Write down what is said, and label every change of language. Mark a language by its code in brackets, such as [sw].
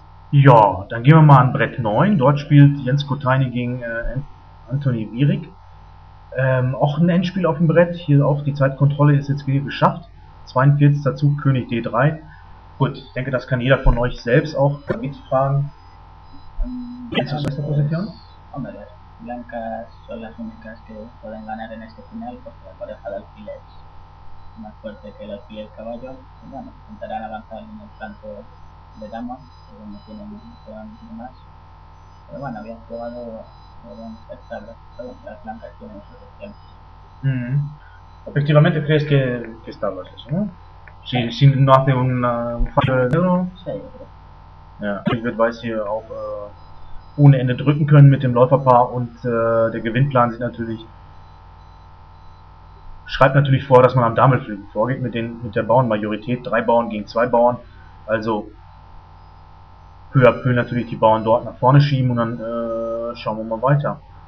[de] Ja, dann gehen wir mal an Brett 9. Dort spielt Jens Kotaini gegen Antoni Wierig. Auch ein Endspiel auf dem Brett. Hier auch die Zeitkontrolle ist jetzt wieder geschafft. 42. Zug, König D3. Gut, ich denke, das kann jeder von euch selbst auch mitfragen. Jetzt ist beste Position. [es] Hombre, las blancas son las únicas que pueden ganar en este final, porque la pareja de alfil es más fuerte que el alfil y el caballo. Bueno, intentarán avanzar en el flanco de dama, que no tienen más. Pero bueno, habían jugado un espectáculo. Pero las blancas tienen sus opciones. Efectivamente, crees que está bueno eso, ¿no? Si no hace un fallo de negro. [de] Ja, ich würde Weiß hier auch ohne Ende drücken können mit dem Läuferpaar, und der Gewinnplan sieht natürlich, schreibt natürlich vor, dass man am Damenflügel vorgeht mit der Bauernmajorität, drei Bauern gegen zwei Bauern, also peu à peu natürlich die Bauern dort nach vorne schieben, und dann schauen wir mal weiter.